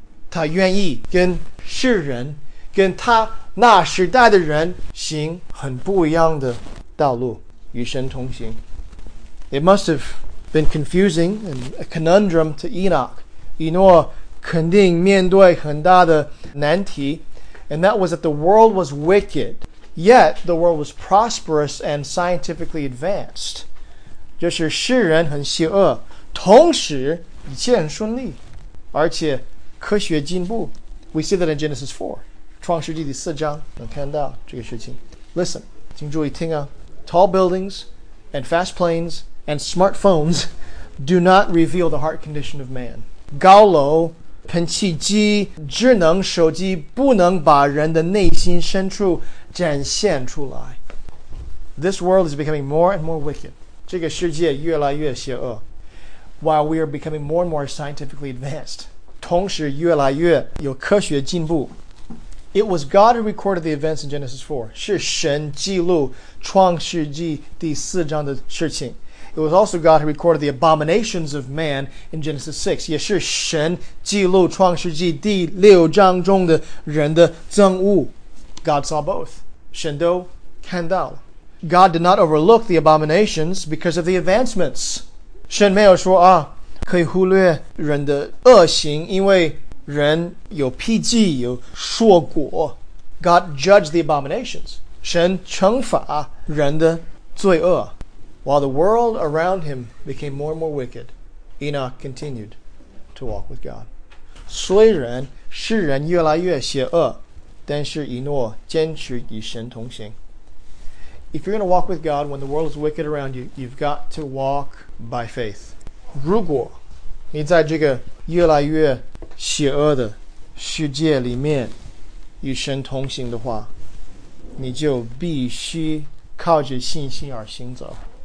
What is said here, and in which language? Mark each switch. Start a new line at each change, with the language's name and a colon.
Chinese: 他愿意跟世人跟他那时代的人行很不一样的道路与神同行
English: It must have been confusing and a conundrum to Enoch.
Chinese: 以诺肯定面对很大的难题
English: and that was that the world was wicked. Yet, the world was prosperous and scientifically advanced.
Chinese: 就是世人很邪恶,同时一切很顺利,而且科学进步。
English: We see that in Genesis 4,
Chinese: 创世纪第四章,能看到这个事情。 Listen, 请注意听啊。
English: Tall buildings and fast planes and smartphones do not reveal the heart condition of man.
Chinese: 高楼,喷气机,智能手机不能把人的内心深处展现出来。
English: This world is becoming more and more wicked.
Chinese: 这个世界越来越邪恶。
English: While we are becoming more and more scientifically advanced.
Chinese: 同时越来越有科学进步。
English: It was God who recorded the events in Genesis 4.
Chinese: 是神记录创世纪第四章的事情。
English: It was also God who recorded the abominations of man in Genesis 6.
Chinese: 也是神记录创世纪第六章中的人的憎恶。
English: God saw both.
Chinese: 神都看到了。
English: God did not overlook the abominations because of the advancements.
Chinese: 神没有说啊，可以忽略人的恶行，因为人有披荆，有硕果。
English: God judged the abominations.
Chinese: 神惩罚人的罪恶。
English: While the world around him became more and more wicked, Enoch continued to walk with God.
Chinese: 虽然世人越来越邪恶，但是以诺坚持与神同行。
English: If you're going to walk with God when the world is wicked around you, you've got to walk by faith.
Chinese: 如果你在这个越来越邪恶的世界里面与神同行的话，你就必须靠着信心而行走。